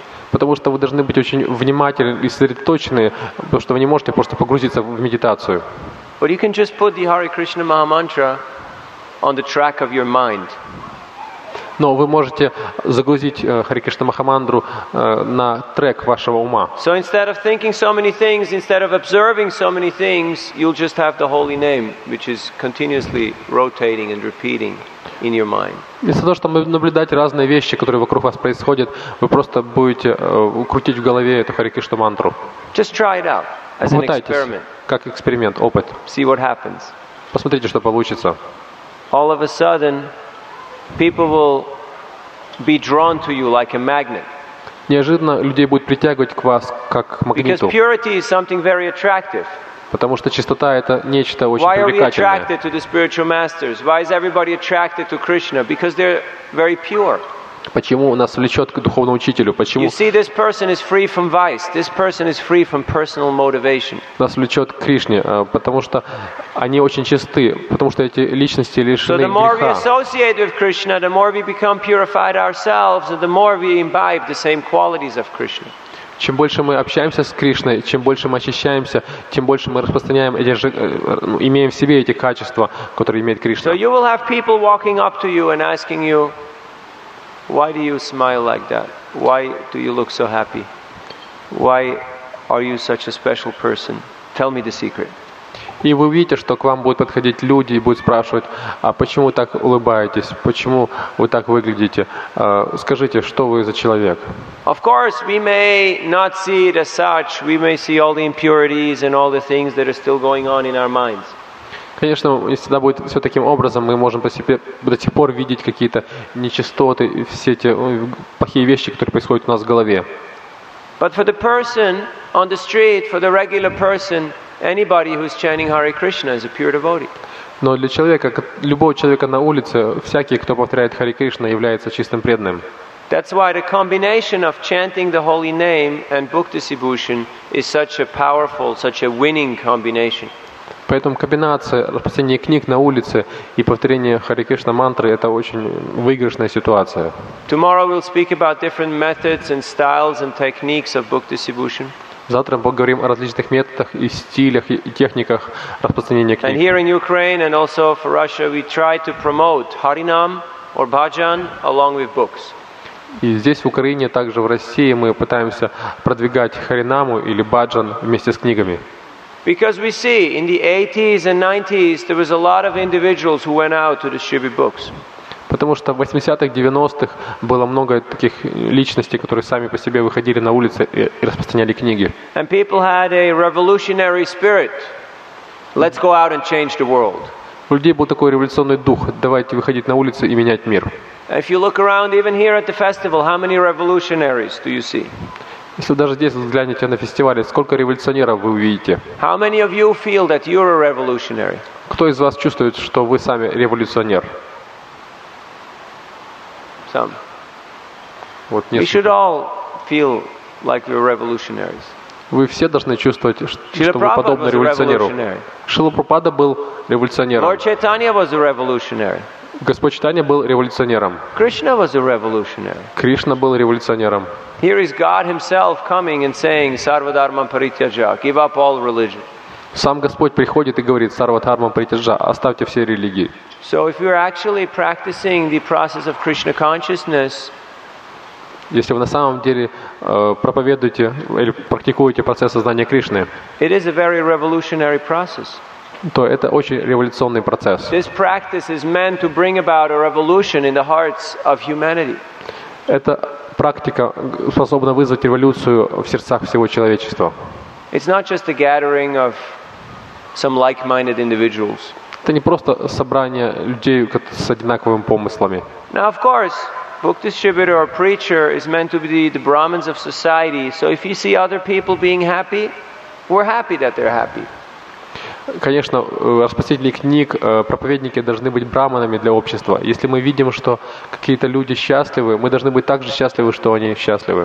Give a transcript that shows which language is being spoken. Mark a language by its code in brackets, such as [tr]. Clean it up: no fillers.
[ru] Потому что вы должны быть очень внимательны и сосредоточены, потому что вы не можете просто погрузиться в медитацию. Но вы можете просто поставить Hare Krishna Mahamantra на [en] track of your mind. [ru] Но вы можете загрузить Хари Кришна Махамандру на трек вашего ума. [en] So instead of thinking so many things, instead of observing so many things, you'll just have the holy name, which is continuously rotating and repeating in your mind. [ru] Вместо того, чтобы наблюдать разные вещи, которые вокруг вас происходят, вы просто будете крутить в голове эту Хари Кришна мантру. [en] Just try it out as an experiment. [ru] Как эксперимент, опыт. [en] See what happens. [ru] Посмотрите, что получится. [en] All of a sudden, people will be drawn to you like a magnet. [ru] Неожиданно людей будет притягивать к вас как магниту. [en] Because purity is something very attractive. [ru] Потому что чистота это нечто очень привлекательное. [en] Why are we attracted to the spiritual masters? Why is everybody attracted to Krishna? Because they're very pure. [ru] Почему нас влечет к духовному учителю? Почему? [en] You see, this person is free from vice. This person is free from personal motivation. [ru] Нас влечет к Кришне, потому что они очень чисты, потому что эти личности лишены греха. [en] So the more we associate with Krishna, the more we become purified ourselves, and the more we imbibe the same qualities of Krishna. [ru] Чем больше мы общаемся с Кришной, чем больше мы очищаемся, тем больше мы распространяем эти же, имеем в себе эти качества, которые имеет Кришна. [en] So you will have people walking up to you and asking you, why do you smile like that? Why do you look so happy? Why are you such a special person? Tell me the secret. [ru] И вы увидите, что к вам будут подходить люди и будут спрашивать, а почему вы так улыбаетесь, почему вы так выглядите? Скажите, что вы за человек? [en] Of course, we may not see it as such. We may see all the impurities and all the things that are still going on in our minds. [ru] Конечно, если да, будет все таким образом, мы можем по себе до сих пор видеть какие-то нечистоты, все эти плохие вещи, которые происходят у нас в голове. [en] But for the person on the street, for the regular person, anybody who's chanting Hare Krishna is a pure devotee. [ru] Но для человека, любого человека на улице, всякий, кто повторяет Hare Krishna, является чистым преданным. [en] That's why the combination of chanting the holy name and book distribution is such a powerful, such a winning combination. [ru] Поэтому комбинация распространения книг на улице и повторение Hare Krishna мантры – это очень выигрышная ситуация. [en] Tomorrow we'll speak about different methods and styles and techniques of book distribution. [ru] Завтра мы поговорим о различных методах и стилях и техниках распространения книг. [en] And here in Ukraine and also for Russia, we try to promote Harinam or Bhajan along with books. [ru] И здесь, в Украине, также в России, мы пытаемся продвигать Харинаму или Бхаджан вместе с книгами. [en] Because we see in the 80s and 90s there was a lot of individuals who went out to distribute books. [ru] Потому что в 80-х, 90-х было много таких личностей, которые сами по себе выходили на улицы и распространяли книги. [en] And people had a revolutionary spirit. Let's go out and change the world. [ru] У людей был такой революционный дух: давайте выходить на улицы и менять мир. [en] If you look around even here at the festival, how many revolutionaries do you see? [ru] Если даже здесь взглянете на фестивале, сколько революционеров вы увидите? [en] How many of you feel that you're a revolutionary? [ru] Кто из вас чувствует, что вы сами революционер? [en] Some. [ru] Вот несколько. [en] We should all feel like we're revolutionaries. [ru] Вы все должны чувствовать, что вы подобны революционеру. Шрила Прабхупада был революционером. [en] Lord Chaitanya was a revolutionary. [ru] Господь Чайтанья был революционером. [en] Krishna was a revolutionary. [ru] Кришна был революционером. [en] Here is God himself coming and saying sarva dharma parityaja, give up all religion. [ru] Сам Господь приходит и говорит: сарва дхарма парityaja, оставьте все религии. [en] So if you are actually practicing the process of Krishna consciousness, [ru] если вы на самом деле проповедуете или практикуете процесс сознания Кришны, [en] it is a very revolutionary process. [ru] То это очень революционный процесс. [en] This practice is meant to bring about a revolution in the hearts of humanity. [ru] Эта практика способна вызвать революцию в сердцах всего человечества. [en] It's not just a gathering of some like-minded individuals. [ru] Это не просто собрание людей с одинаковыми помыслами. [en] Now, of course, book distributor or preacher is meant to be the Brahmins of society. So if you see other people being happy, we're happy that they're happy. [ru] Конечно, распространители книг, проповедники должны быть браманами для общества. Если мы видим, что какие-то люди счастливы, мы должны быть так же счастливы, что они счастливы.